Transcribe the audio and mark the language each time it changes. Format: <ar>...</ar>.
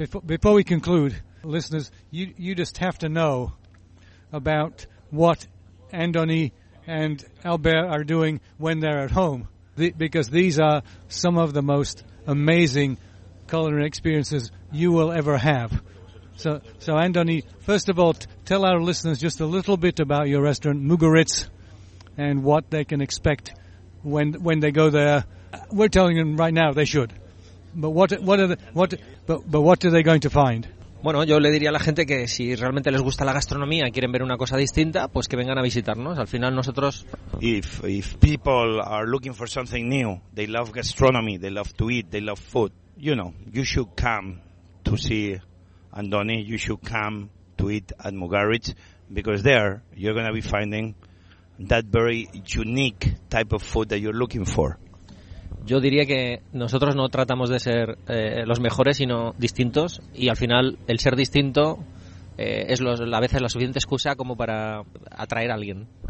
<en>Before we conclude, listeners, you just have to know about what Andoni and Albert are doing when they're at home, because these are some of the most amazing culinary experiences you will ever have. So Andoni, first of all, tell our listeners just a little bit about your restaurant, Mugaritz, and what they can expect when they go there. We're telling them right now they should, but what are they going to find?</en> <es>Bueno, yo le diría a la gente que si realmente les gusta la gastronomía y quieren ver una cosa distinta, pues que vengan a visitarnos. Al final nosotros...</es> <en>If people are looking for something new, they love gastronomy, they love to eat, they love food, you know, you should come to see Andoni, you should come to eat at Mugaritz, because there you're going to be finding that very unique type of food that you're looking for.</en> <es>Yo diría que nosotros no tratamos de ser los mejores, sino distintos. Y al final, el ser distinto es a veces la suficiente excusa como para atraer a alguien.</es>